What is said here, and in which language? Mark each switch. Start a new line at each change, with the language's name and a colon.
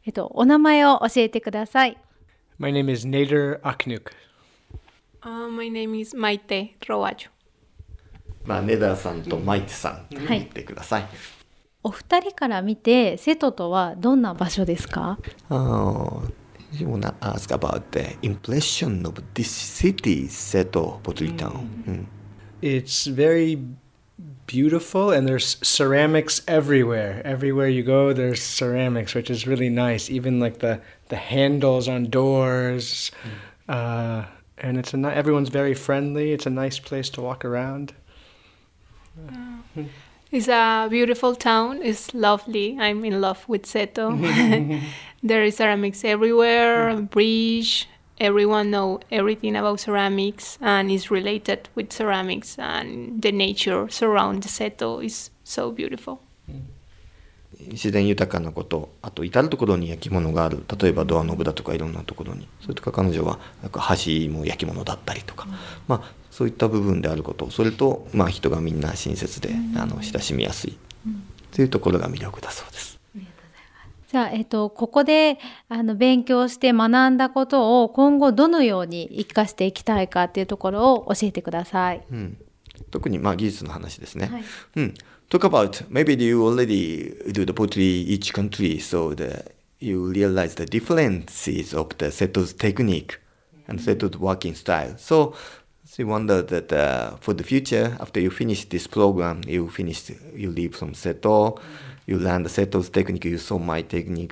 Japanese: お名前を教えてください。
English: My name is Nader Aknuk. My name is Maite Roajo.
Japanese: Nader さんと Maite さん、言ってください。お二人から見て瀬戸とはどんな場所ですか？
English: I want to ask about the impression of this city, Seto Potritano. It's very beautiful and there's ceramics everywhere. Everywhere you go, there's ceramics, which is really nice. Even like the handles on doors. And it's everyone's very friendly. It's a nice place to walk around. It's a beautiful town. It's lovely. I'm in love with Seto. There is ceramics everywhere, bridge. Everyone knows everything about ceramics and is related with ceramics, and the nature surrounds Seto is so beautiful.
Japanese: 自然豊かなこと、あと至る所に焼き物がある。例えばドアノブだとかいろんなところに。それとか彼女はなんか箸も焼き物だったりとか。まあそういった部分であること、それと、まあ、人がみんな親切で親しみやすいというところが魅力だそうです。じゃあ、ここで勉強して学んだことを今後どのように生かしていきたいかというところを教えてください。特に、まあ、技術の話ですね。はい。
English: Talk about maybe you already do the pottery each country, so you realize the differences of the Seto's technique and Seto's working style. So,So you wonder that for the future, after you finish this program, you leave from Seto, you learn the Seto's technique, you saw my technique.